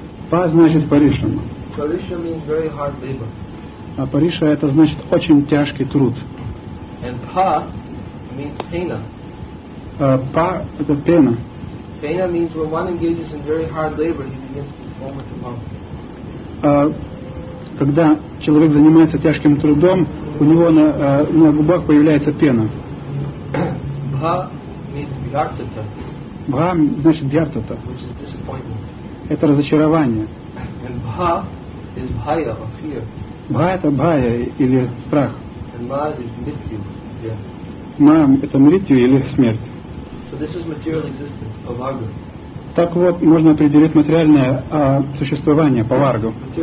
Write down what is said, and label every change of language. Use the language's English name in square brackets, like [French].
[Russian] Pa значит parishrama. [English] Parishrama means very hard labor. [Russian] А parishra это значит очень тяжкий труд. [English] And pa means pena. [Russian] Pa это pena. [English] Pena means when one engages in very hard labor, he begins to form with the mouth. [Russian] Когда человек занимается тяжким трудом, у него на губах появляется пена. [English] Bha means vyartata. [Russian] Bha значит vyartata. [English] Which is disappointment. [Russian] Это разочарование. [English] And bha is bhaya, or fear. [Russian] Bha это bhaya, или страх. [English] And ma is mrityu, yeah. [Russian] Ma это mrityu, или смерть. [English] So this is material existence, avagra. [Russian] Так вот, можно определить материальное существование, паваргу.